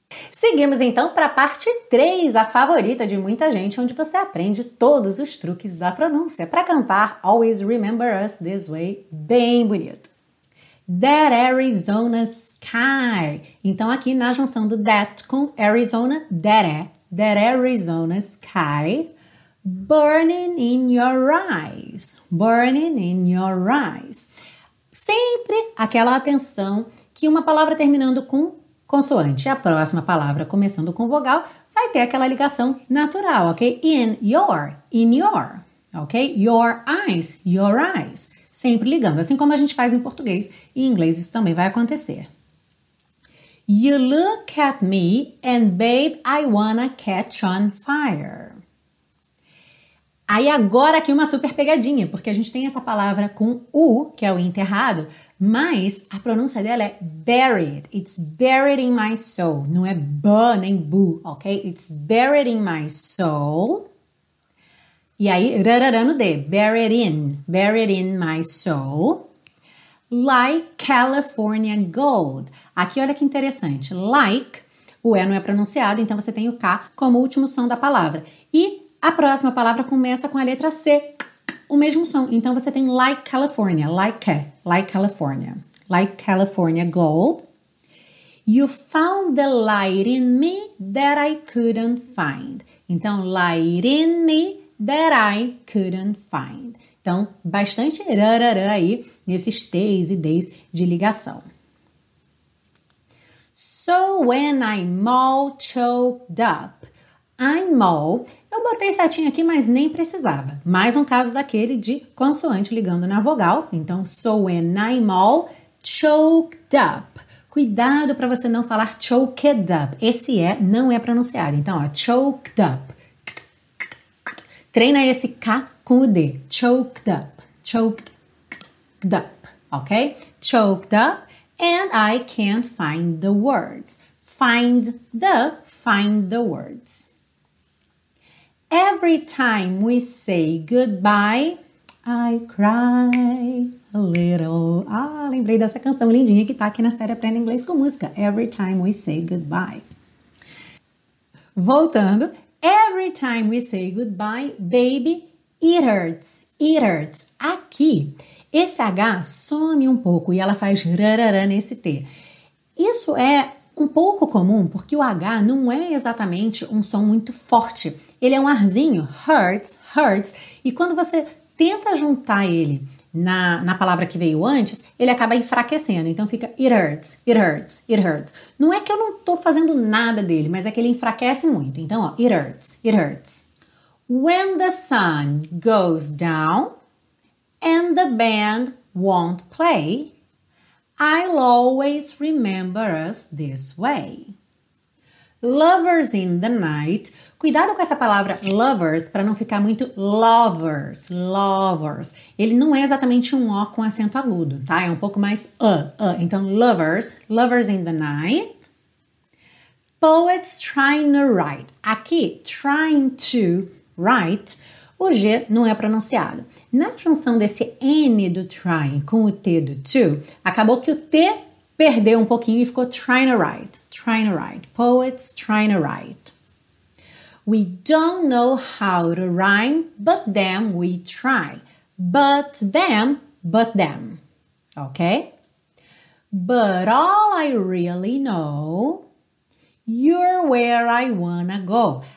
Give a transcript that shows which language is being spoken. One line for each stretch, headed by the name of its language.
Portuguese: Seguimos então para a parte 3, a favorita de muita gente, onde você aprende todos os truques da pronúncia para cantar Always Remember Us This Way, bem bonito.
English: That Arizona sky.
Portuguese: Então aqui na junção do that com Arizona, that é.
English: That Arizona sky burning in your eyes. Burning in your eyes.
Portuguese: Sempre aquela atenção que uma palavra terminando com consoante, a próxima palavra começando com vogal, vai ter aquela ligação natural, ok?
English: In your, ok? Your eyes,
Portuguese: sempre ligando, assim como a gente faz em português e em inglês isso também vai acontecer.
English: You look at me and babe, I wanna catch on fire.
Portuguese: Aí agora aqui uma super pegadinha, porque a gente tem essa palavra com U, que é o enterrado, mas a pronúncia dela é buried,
English: it's buried in my soul,
Portuguese: não é bu nem bu, ok?
English: It's buried in my soul,
Portuguese: e aí rarara no D,
English: buried in my soul, like California gold.
Portuguese: Aqui olha que interessante, like, o E não é pronunciado, então você tem o K como último som da palavra, e a próxima palavra começa com a letra C, o mesmo som. Então, você tem
English: like California, like California, like California gold. You found the light in me that I couldn't find. Então, light in me that I couldn't find.
Portuguese: Então, bastante rarara aí nesses T's e D's de ligação.
English: So when I'm all choked up. I'm all,
Portuguese: eu botei certinho aqui, mas nem precisava. Mais um caso daquele de consoante ligando na vogal.
English: Então, so when I'm all choked up.
Portuguese: Cuidado para você não falar choked up. Esse E não é pronunciado. Então, ó, choked up. Treina esse K com o D. Choked up.
English: Choked up. Ok? Choked up. And I can't find the words. Find the words. Every time we say goodbye, I cry a little.
Portuguese: Ah, lembrei dessa canção lindinha que tá aqui na série Aprenda Inglês com Música.
English: Every time we say goodbye.
Portuguese: Voltando.
English: Every time we say goodbye, baby, it hurts. It hurts.
Portuguese: Aqui, esse H some um pouco e ela faz rararã nesse T. Isso é um pouco comum porque o H não é exatamente um som muito forte. Ele é um arzinho. Hurts, hurts. E quando você tenta juntar ele na palavra que veio antes, ele acaba enfraquecendo. Então fica
English: it hurts, it hurts, it hurts.
Portuguese: Não é que eu não tô fazendo nada dele, mas é que ele enfraquece muito.
English: Então, ó, it hurts, it hurts. When the sun goes down and the band won't play, I'll always remember us this way. Lovers in the night.
Portuguese: Cuidado com essa palavra lovers para não ficar muito lovers, lovers. Ele não é exatamente um O com acento agudo, tá? É um pouco mais Então, lovers,
English: lovers in the night. Poets trying to write.
Portuguese: Aqui,
English: trying to write,
Portuguese: o G não é pronunciado. Na junção desse N do trying com o T do to, acabou que o T perdeu um pouquinho e ficou
English: trying to write. Trying to write. Poets trying to write. We don't know how to rhyme, but them we try. But them. Okay? But all I really know, you're where I wanna go.